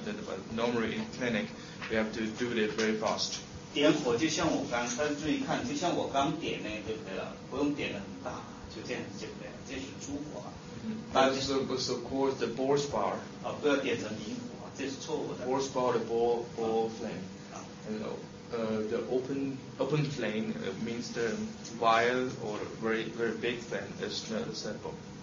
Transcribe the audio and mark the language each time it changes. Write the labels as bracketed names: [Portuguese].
[English] That, but normally in clinic, we have to do it very fast. [Chinese] 点火就像我刚，大家注意看，就像我刚点那就可以了，不用点的很大，就这样就可以了。这是烛火。 [English] So called the ball spark. [Chinese] 啊，不要点成明火，这是错误的。 [English] Ball spark, the ball flame. The open flame means the wild or very very big flame is not acceptable.